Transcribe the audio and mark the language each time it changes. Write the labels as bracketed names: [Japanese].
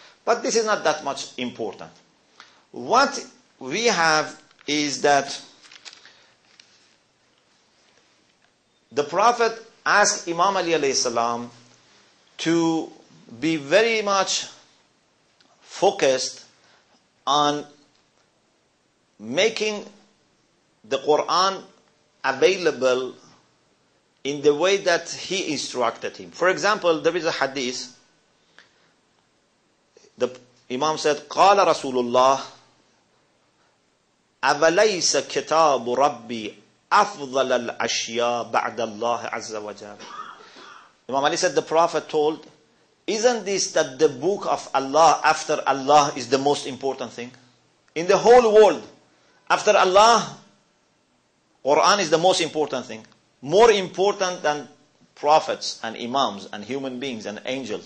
[English] But this is not that much important. What we have is that the Prophet asked Imam Ali alayhi salam to be very much focused on making the Quran available in the way that he instructed him. For example, there is a hadith. The Imam said, [Arabic] قال رسول الله أوليس كتاب ربي أفضل الأشياء بعد الله عز وجل. [English] Imam Ali said, the Prophet told, isn't this that the book of Allah after Allah is the most important thing? In the whole world, after Allah, Quran is the most important thing. More important than prophets and imams and human beings and angels.